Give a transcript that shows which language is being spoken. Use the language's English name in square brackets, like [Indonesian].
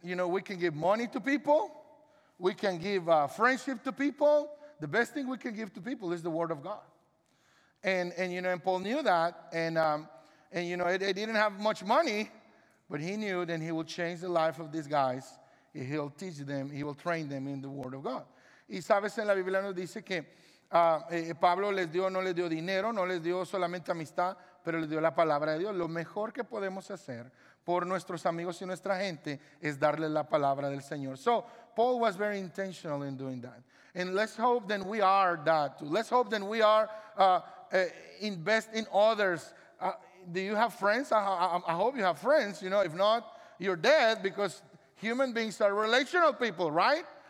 [English] We can give money to people. We can give friendship to people. The best thing we can give to people is the word of God. And Paul knew that. And they didn't have much money, but he knew that he will change the life of these guys. He'll teach them. He will train them in the word of God. [Spanish] Y sabes, en la Biblia nos dice que Pablo les dio, no les dio dinero, no les dio solamente amistad, pero les dio la palabra de Dios. Lo mejor que podemos hacer por nuestros amigos y nuestra gente es darles la palabra del Señor. [English] So, Paul was very intentional in doing that. And let's hope that we are that too. Let's hope that we are invest in others. Do you have friends? I hope you have friends. You know, if not, you're dead, because human beings are relational people, right?